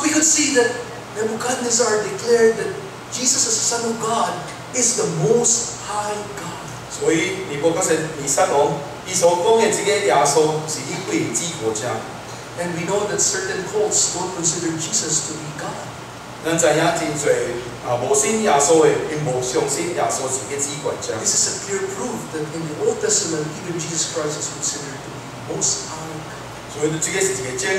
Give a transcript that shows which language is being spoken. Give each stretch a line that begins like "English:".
English: we could see that Nebuchadnezzar declared that Jesus as the Son of God is the Most High God.
Min Nan Chinese: 所以尼波甲弥撒讲，伊所讲的这个耶稣是一位至高者。
English: And we know that certain cults don't consider Jesus to be God.
Min Nan Chinese: 咱知影真侪无信耶稣的，因无相信耶稣是一位至高者。
English: This is a clear proof that in the Old Testament, even Jesus Christ is considered to be Most High God.